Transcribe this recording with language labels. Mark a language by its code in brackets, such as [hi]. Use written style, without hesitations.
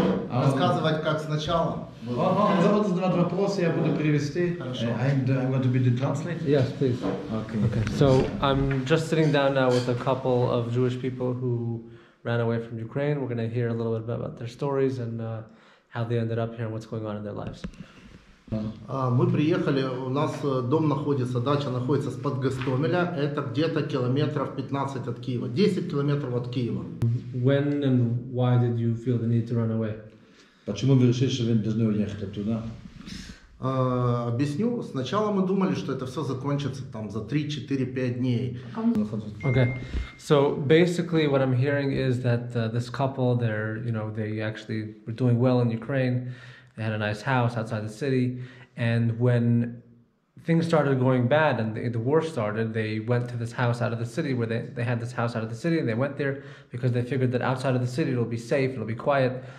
[ru] Рассказывать как сначала? Вот задавать вопросы, я буду перевести. Хорошо. [en] I'm going to be the translator. Yes, please. Okay. So I'm just sitting down now with a couple of Jewish people who ran away from Ukraine. We're going to hear a little bit about their stories and how they ended up here and what's going on in their lives. [ru] Мы приехали, у нас дом находится, дача находится под Гостомеля. Это где-то километров 15 от Киева, 10 километров от Киева. [en] When and why did you feel the need to run away? [ru] Почему вы решили, что вы должны уехать оттуда? Объясню. Сначала мы думали, что это все закончится там за 3-4-5 дней. [en] Okay. So basically what I'm hearing is that this couple, they're, you know, they actually were doing well in Ukraine. They had a nice house outside the city. And when things started going bad and the war started, they went to this house out of the city where they had this house out of the city and they went there because they figured that outside of the city it'll be safe, it'll be quiet.